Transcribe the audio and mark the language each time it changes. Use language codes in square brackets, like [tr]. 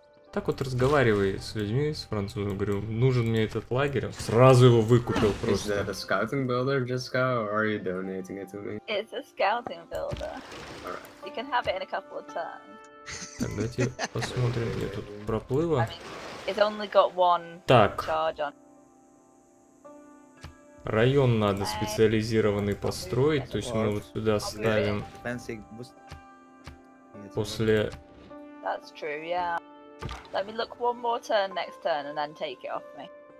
[ru] Так вот разговаривай с людьми, с французом, говорю, нужен мне этот лагерь, он сразу его выкупил просто. [en] Is that a scouting builder, Jessica, or are you donating it to me? It's a scouting builder. Alright. You can have it in a couple of turns. [ru] Так, давайте посмотрим, где тут проплыва. [en] I mean, it's only got one charge on. [ru] Район надо специализированный построить, то есть мы вот сюда ставим после... [en] That's true, yeah. Let me look one more turn next turn and then take it off me.